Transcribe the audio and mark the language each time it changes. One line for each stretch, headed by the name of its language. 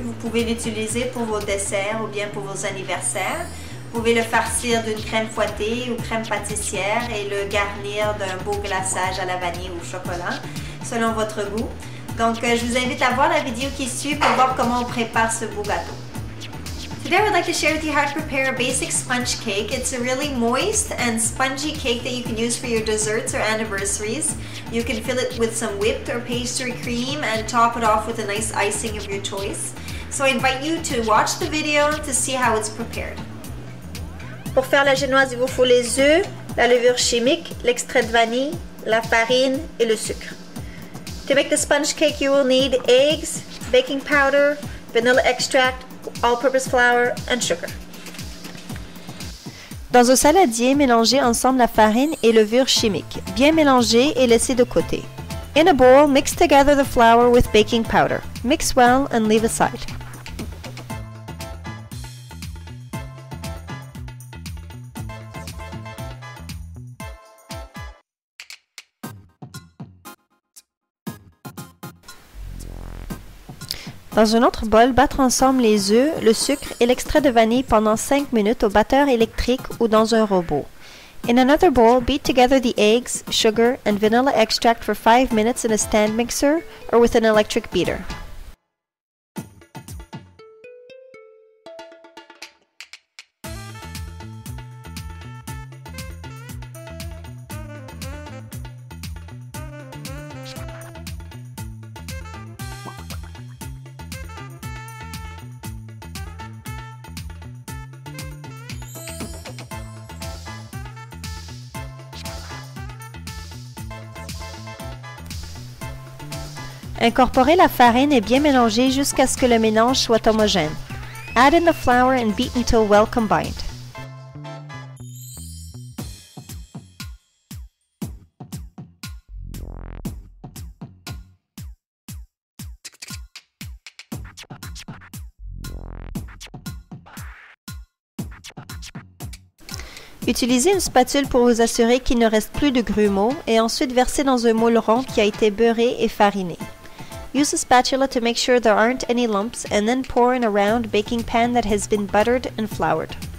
French: Vous pouvez l'utiliser pour vos desserts ou bien pour vos anniversaires. Vous pouvez le farcir d'une crème fouettée ou crème pâtissière et le garnir d'un beau glaçage à la vanille ou au chocolat, selon votre goût. Donc, je vous invite à voir la vidéo qui suit pour voir comment on prépare ce beau gâteau.
English: Today I would like to share with you how to prepare a basic sponge cake. It's a really moist and spongy cake that you can use for your desserts or anniversaries. You can fill it with some whipped or pastry cream and top it off with a nice icing of your choice. So I invite you to watch the video to see how it's prepared.
French: Pour faire la génoise, il vous faut les œufs, la levure chimique, l'extrait de vanille, la farine et le sucre.
English: To make the sponge cake, you will need eggs, baking powder, vanilla extract, all-purpose flour and sugar.
French: Dans un saladier, mélangez ensemble la farine et levure chimique. Bien mélanger et laisser de côté.
English: In a bowl, mix together the flour with baking powder. Mix well and leave aside.
French: Dans un autre bol, battre ensemble les œufs, le sucre et l'extrait de vanille pendant 5 minutes au batteur électrique ou dans un robot.
English: In another bowl, beat together the eggs, sugar and vanilla extract for 5 minutes in a stand mixer or with an electric beater.
French: Incorporez la farine et bien mélangez jusqu'à ce que le mélange soit homogène.
English: Add in the flour and beat until well combined.
French: Utilisez une spatule pour vous assurer qu'il ne reste plus de grumeaux et ensuite versez dans un moule rond qui a été beurré et fariné.
English: Use a spatula to make sure there aren't any lumps and then pour in a round baking pan that has been buttered and floured.